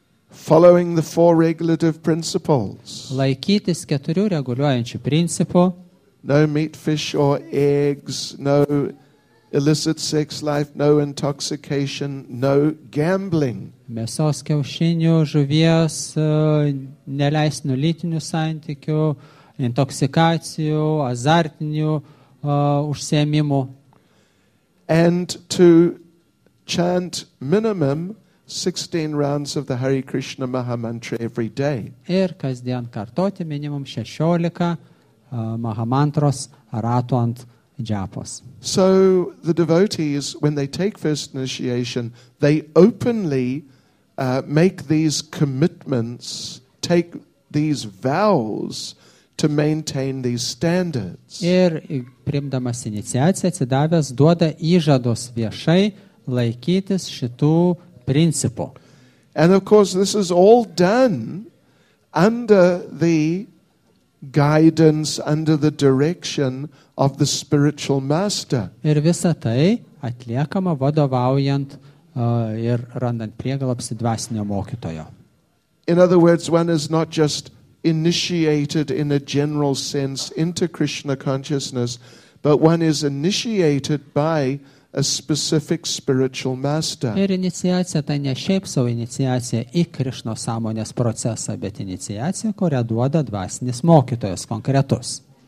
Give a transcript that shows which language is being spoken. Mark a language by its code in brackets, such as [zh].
[en] Following the four regulative principles. [lt] Laikytis keturių reguliuojančių principų. [en] No meat, fish or eggs, no illicit sex life, no intoxication, no gambling. [lt] Mėsos, kiaušinių, žuvies, neleistinų lytinių santykių, intoksikacijų, azartinių užsiėmimų. [en] And to chant minimum 16 rounds of the Hare Krishna Maha Mantra every day. [lt] Ir kasdien kartoti minimum 16 Maha Mantros ratų ant džiapos. [en] So the devotees, when they take first initiation, they openly make these commitments, take these vows to maintain these standards. [lt] Ir priimdamas iniciaciją, atsidavęs, duoda įžados viešai laikytis šitų principu. [en] And of course this is all done under the guidance, under the direction of the spiritual master. [lt] Ir visa tai atliekama vadovaujant ir randant prieglobstį dvasinio mokytojo. [en] In other words, one is not just initiated in a general sense into Krishna consciousness, but one is initiated by a specific spiritual master. [lt] Ir iniciacija tai ne šiaip savo iniciacija į Krišno sąmonės procesą, bet iniciacija, kurią duoda dvasinis mokytojas konkretus.